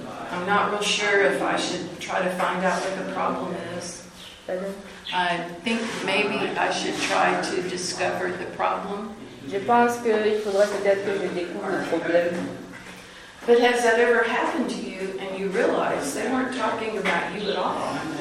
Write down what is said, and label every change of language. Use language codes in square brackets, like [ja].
[en] I'm not real sure if I should try to find out what the problem is. I think maybe I should try to discover the problem. [fr] Je pense qu'il faudrait peut-être que je découvre le problème. [en] But has that ever happened to you and you realize they weren't talking about you at all?